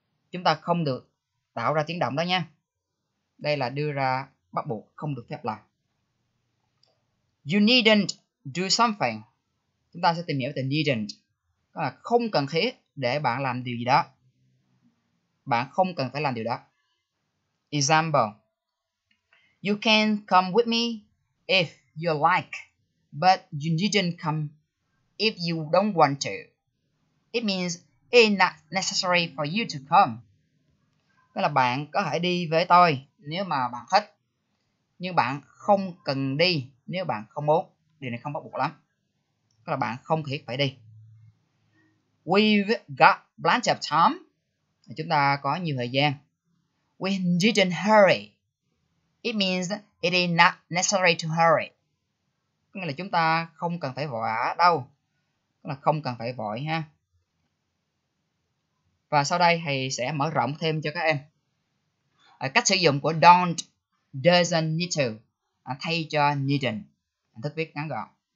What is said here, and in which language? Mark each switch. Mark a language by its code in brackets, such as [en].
[vi] Chúng ta không được tạo ra tiếng động đó nha. Đây là đưa ra bắt buộc không được phép làm. [en] You needn't do something. [vi] Chúng ta sẽ tìm hiểu từ needn't. Đó là không cần thiết để bạn làm điều gì đó. Bạn không cần phải làm điều đó. [en] Example: You can come with me if you like, but you needn't come if you don't want to. It means it's not necessary for you to come. [vi] Tức là bạn có thể đi với tôi nếu mà bạn thích, nhưng bạn không cần đi nếu bạn không muốn. Điều này không bắt buộc lắm. Tức là bạn không thiết phải đi. [en] We've got plenty of time. [vi] Chúng ta có nhiều thời gian. [en] We didn't hurry. It means it is not necessary to hurry. [vi] Có nghĩa là chúng ta không cần phải vội đâu. Tức là không cần phải vội ha. Và sau đây thầy sẽ mở rộng thêm cho các em. Cách sử dụng của don't, doesn't need to thay cho needn't. Thức viết ngắn gọn.